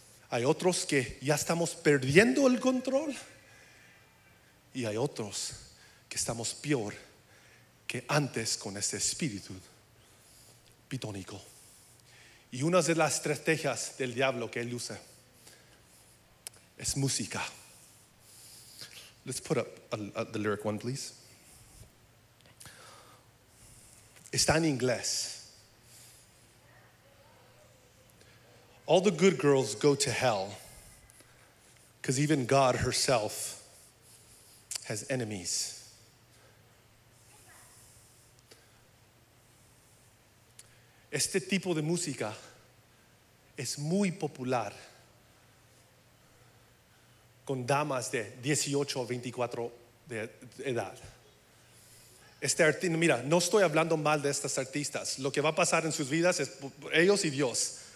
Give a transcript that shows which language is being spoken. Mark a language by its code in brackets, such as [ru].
[es] Hay otros que ya estamos perdiendo el control. Y hay otros que estamos peor que antes con ese espíritu pitónico. Y una de las estrategias del diablo que él usa es música. [en] Let's put up the lyric one, please. [es] Está en inglés. [en] All the good girls go to hell, because even God herself has enemies. [es] Este tipo de música es muy popular con damas de 18 o 24 de edad. Este artista, mira, no estoy hablando mal de estas artistas. Lo que va a pasar en sus vidas es por ellos y Dios.